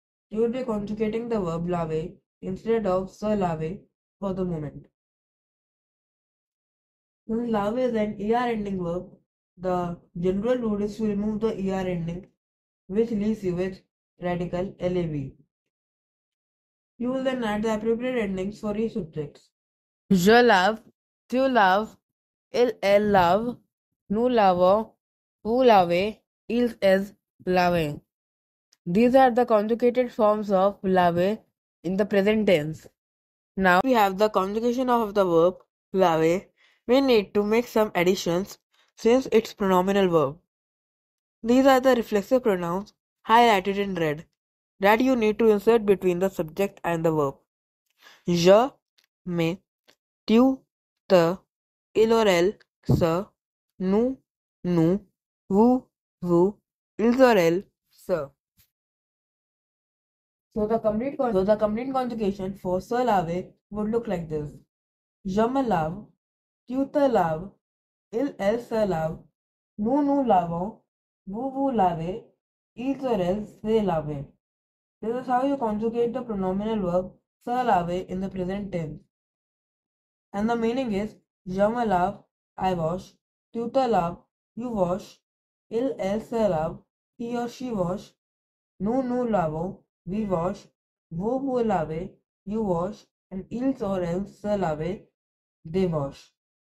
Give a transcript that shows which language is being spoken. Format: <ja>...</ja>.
<en>You will be conjugating the verb laver instead of se laver for the moment. Since laver is an er ending verb, the general rule is to remove the er ending, which leaves you with radical lav. You will then add the appropriate endings for each subject.</en> <fr>Je love, tu love, il elle love, nous lavons, vous lavez, ils elles lavent.</fr> <en>These are the conjugated forms of laver in the present tense. Now we have the conjugation of the verb laver, we need to make some additions since it's pronominal verb. These are the reflexive pronouns highlighted in red that you need to insert between the subject and the verb.</en> <fr>Je, me, tu, te, il</fr> <en>or</en> <fr>elle, se, nous, vous, ils or elles, se.</fr> <en>So the complete conjugation for se laver would look like this.</en> <fr>Je me lave, tu te laves, il elle se lave, nous lavons, vous lavez, ils</fr> <en>or</en> <fr>elles se lavent.</fr> <en>This is how you conjugate the pronominal verb se laver in the present tense. And the meaning is</en> <fr>je me lave,</fr> <en>I wash,</en> <fr>tu te laves,</fr> <en>you wash,</en> <fr>il elle se lave,</fr> <en>he or she wash,</en> <fr>nous lavons,</fr> <en>we wash,</en> <fr>vous lavez,</fr> <en>you wash, and</en> <fr>ils or elles se lavent,</fr> <en>they wash.</en>